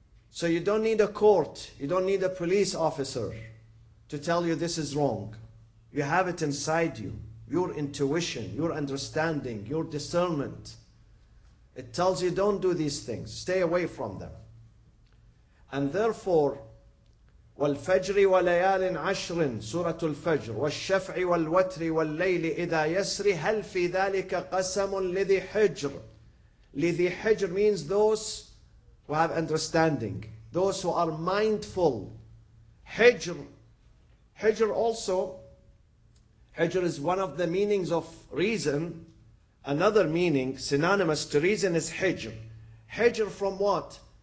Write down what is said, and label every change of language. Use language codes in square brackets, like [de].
[en] So you don't need a court, you don't need a police officer to tell you this is wrong. You have it inside you. Your intuition, your understanding, your discernment. It tells you don't do these things, stay away from them. And therefore, [ar] وَالْفَجْرِ وَلَيَالٍ عَشْرٍ سُورَةُ الْفَجْرِ وَالشَّفْعِ وَالْوَتْرِ وَاللَّيْلِ إِذَا يَسْرِ هَلْ فِي ذَلِكَ قَسَمٌ لِذِي حِجْرٍ. [en] لِذِي حِجْرٍ means those who have understanding, those who are mindful. Hijr. Hijr also, Hijr is one of the meanings of reason, another meaning synonymous to reason is hijr. Hijr from what?